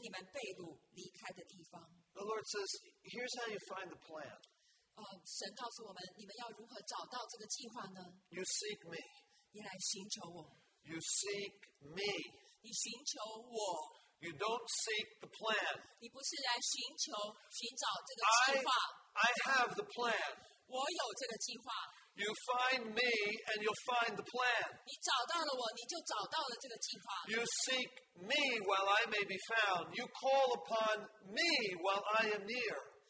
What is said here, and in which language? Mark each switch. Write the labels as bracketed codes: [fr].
[zh] 十二节开始，你们要呼求我，祷告我，我就应允你们。你们寻求我，若专心寻求我，就必寻见。耶和华说，我必备你们寻见，我也必使你们被掳的归回，将你们从各国中和我所赶你们到的各处招聚了回来，又将你们带回我使你们被掳离开的地方。 [en] The Lord says, here's how you find the plan. [zh] 神告诉我们，你们要如何找到这个计划呢？ [en] You seek me. [zh] 你来寻求我。 [en] You seek me. [zh] 你寻求我。 [en] You don't seek the plan. [zh] 你不是来寻求寻找这个计划。 [en] I have the plan. [zh] 我有这个计划。 [en] You find me and you'll find the plan. [zh] 你找到了我，你就找到了这个计划。 [en] You seek me while I may be found. You call upon me while I am near.